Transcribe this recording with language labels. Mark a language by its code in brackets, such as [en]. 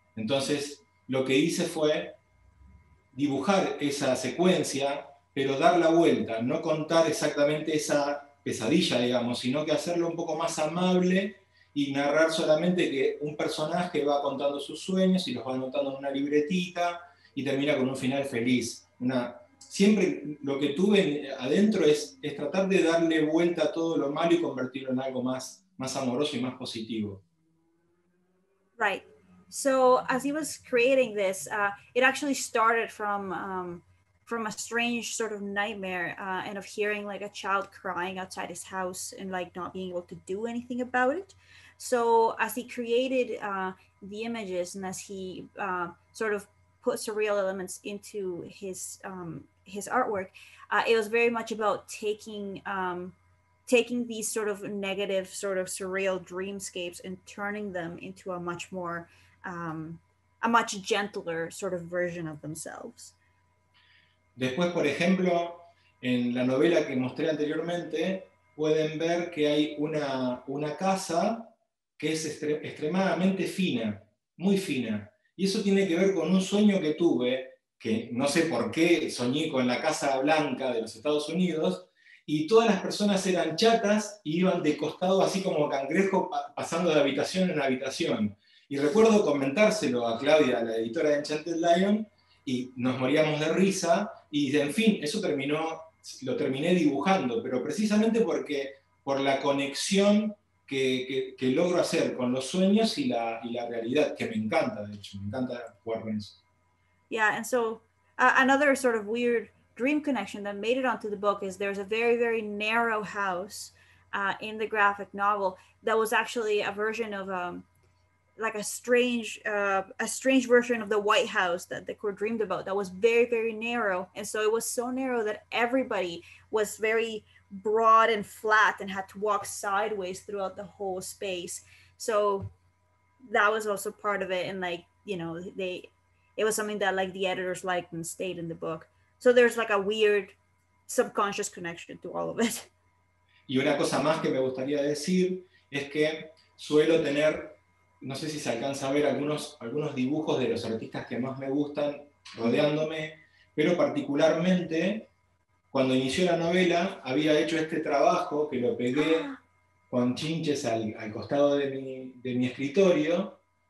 [es] Entonces, lo que hice fue dibujar esa secuencia, pero dar la vuelta, no contar exactamente esa pesadilla, digamos, sino que hacerlo un poco más amable y narrar solamente que un personaje va contando sus sueños y los va anotando en una libretita y termina con un final feliz. Siempre lo que tuve adentro es tratar de darle vuelta a todo lo malo y convertirlo en algo más amoroso y más positivo. [en] Right. So as he was creating this, it actually started from a strange sort of nightmare and of hearing like a child crying outside his house and like not being able to do anything about it. So as he created the images and as he sort of put surreal elements into his artwork, it was very much about taking these sort of negative sort of surreal dreamscapes and turning them into a much more, a much gentler sort of version of themselves. [es] Después, por ejemplo, en la novela que mostré anteriormente, pueden ver que hay una casa que es extremadamente fina, muy fina. Y eso tiene que ver con un sueño que tuve, que no sé por qué soñé con la Casa Blanca de los Estados Unidos, y todas las personas eran chatas y iban de costado así como cangrejo pasando de habitación en habitación. Y recuerdo comentárselo a Claudia, la editora de Enchanted Lion, y nos moríamos de risa, y en fin, eso terminó lo terminé dibujando, pero precisamente porque por la conexión que logro hacer con los sueños y la realidad, que me encanta, de hecho, me encanta jugar con eso. [en] Yeah, and so another sort of weird dream connection that made it onto the book is there's a very, very narrow house in the graphic novel that was actually a version of like a strange version of the White House that Decur dreamed about that was very, very narrow. And so it was so narrow that everybody was very broad and flat and had to walk sideways throughout the whole space. So that was also part of it. And like, you know, it was something that like the editors liked and stayed in the book. So there's like a weird subconscious connection to all of it. [es] Y una cosa más que me gustaría decir es que suelo tener, no sé si se alcanza a ver algunos dibujos de los artistas que más me gustan rodeándome, pero particularmente cuando inició la novela había hecho este trabajo que lo pegué con chinches al costado de mi escritorio,